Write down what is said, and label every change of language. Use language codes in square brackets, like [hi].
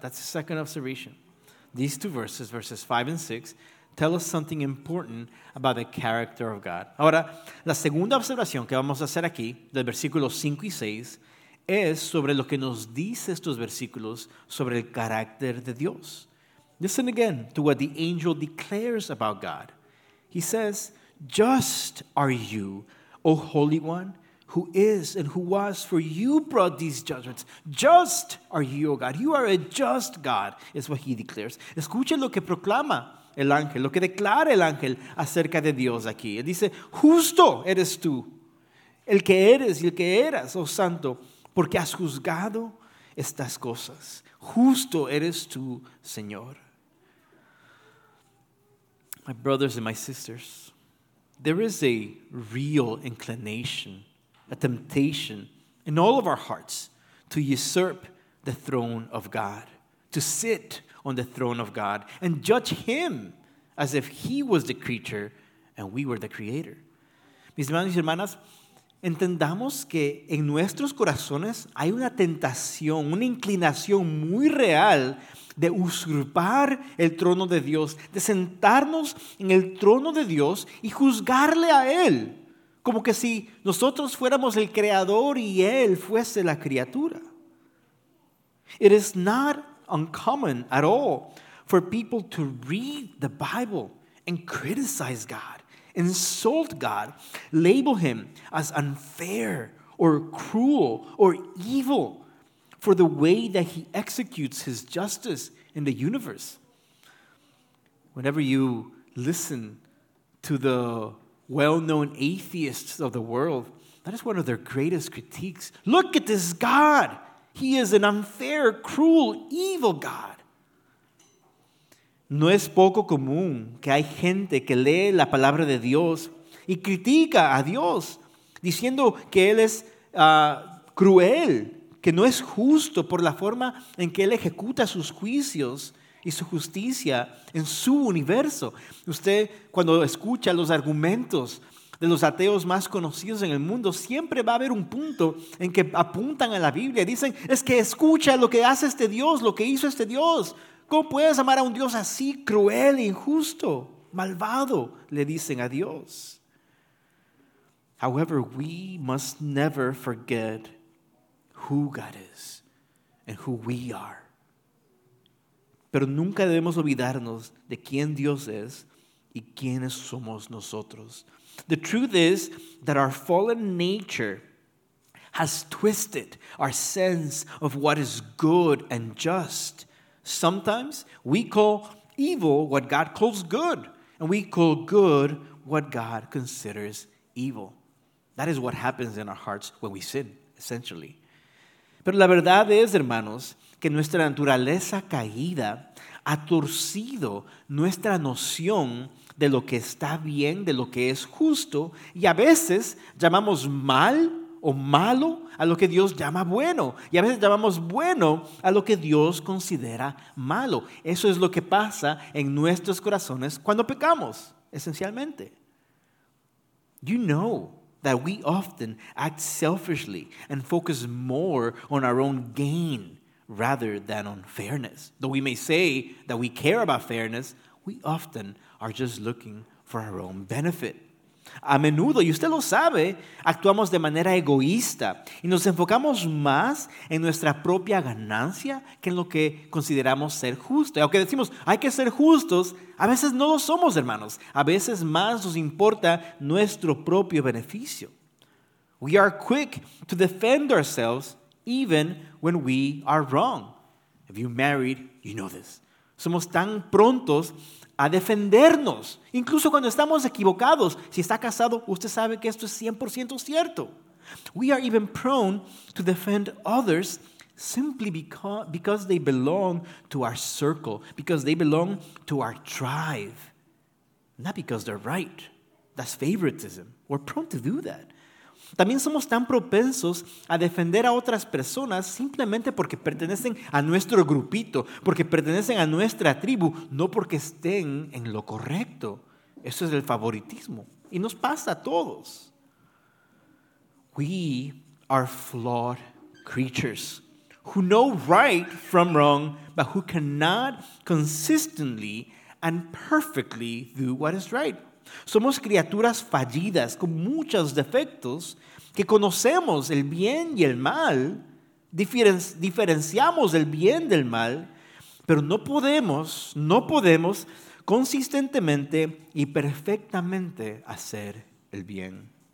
[en] That's the second observation. These two verses, verses 5 and 6, tell us something important about the character of God. [es] Ahora, la segunda observación que vamos a hacer aquí, del versículo 5 y 6, es sobre lo que nos dice estos versículos sobre el carácter de Dios. [en] Listen again to what the angel declares about God. He says, "Just are you, O Holy One, who is and who was, for you brought these judgments. Just are you, O God. You are a just God," is what he declares. [es] Escuche lo que proclama el ángel, lo que declara el ángel acerca de Dios aquí. Él dice, "Justo eres tú, el que eres y el que eras, oh santo, porque has juzgado estas cosas. Justo eres tú, Señor." [en] My brothers and my sisters, there is a real inclination, a temptation in all of our hearts to usurp the throne of God, to sit on the throne of God and judge him as if he was the creature and we were the creator. [es] Mis hermanos y hermanas, entendamos que en nuestros corazones hay una tentación, una inclinación muy real de usurpar el trono de Dios, de sentarnos en el trono de Dios y juzgarle a Él, como que si nosotros fuéramos el creador y Él fuese la criatura. [en] It is not uncommon at all for people to read the Bible and criticize God, insult God, label him as unfair or cruel or evil for the way that he executes his justice in the universe. Whenever you listen to the well-known atheists of the world, that is one of their greatest critiques. Look at this God. He is an unfair, cruel, evil God. [es] No es poco común que hay gente que lee la palabra de Dios y critica a Dios diciendo que Él es cruel, que no es justo por la forma en que Él ejecuta sus juicios y su justicia en su universo. Usted, cuando escucha los argumentos de los ateos más conocidos en el mundo, siempre va a haber un punto en que apuntan a la Biblia. Dicen, es que escucha lo que hace este Dios, lo que hizo este Dios. ¿Cómo puedes amar a un Dios así, cruel, injusto, malvado? Le dicen a Dios. [en] However, we must never forget who God is and who we are. [es] Pero nunca debemos olvidarnos de quién Dios es y quiénes somos nosotros. [en] The truth is that our fallen nature has twisted our sense of what is good and just. Sometimes we call evil what God calls good, and we call good what God considers evil. That is what happens in our hearts when we sin, essentially. [es] Pero la verdad es, hermanos, que nuestra naturaleza caída ha torcido nuestra noción de lo que está bien, de lo que es justo, y a veces llamamos mal o malo a lo que Dios llama bueno. Y a veces llamamos bueno a lo que Dios considera malo. Eso es lo que pasa en nuestros corazones cuando pecamos, esencialmente. [en] You know that we often act selfishly and focus more on our own gain rather than on fairness. Though we may say that we care about fairness, we often are just looking for our own benefit. [es] A menudo, y usted lo sabe, actuamos de manera egoísta y nos enfocamos más en nuestra propia ganancia que en lo que consideramos ser justo. Y aunque decimos, hay que ser justos, a veces no lo somos, hermanos. A veces más nos importa nuestro propio beneficio. [en] We are quick to defend ourselves even when we are wrong. If you're married, you know this. [es] Somos tan prontos a defendernos, incluso cuando estamos equivocados. Si está casado, usted sabe que esto es 100% cierto. [en] We are even prone to defend others simply because they belong to our circle, because they belong to our tribe, not because they're right. That's favoritism. We're prone to do that. [es] También somos tan propensos a defender a otras personas simplemente porque pertenecen a nuestro grupito, porque pertenecen a nuestra tribu, no porque estén en lo correcto. Eso es el favoritismo. Y nos pasa a todos. [en] We are flawed creatures who know right from wrong, but who cannot consistently and perfectly do what is right. [es] Somos criaturas fallidas con muchos defectos que conocemos el bien y el mal, diferenciamos el bien del mal, pero no podemos consistentemente y perfectamente hacer el bien.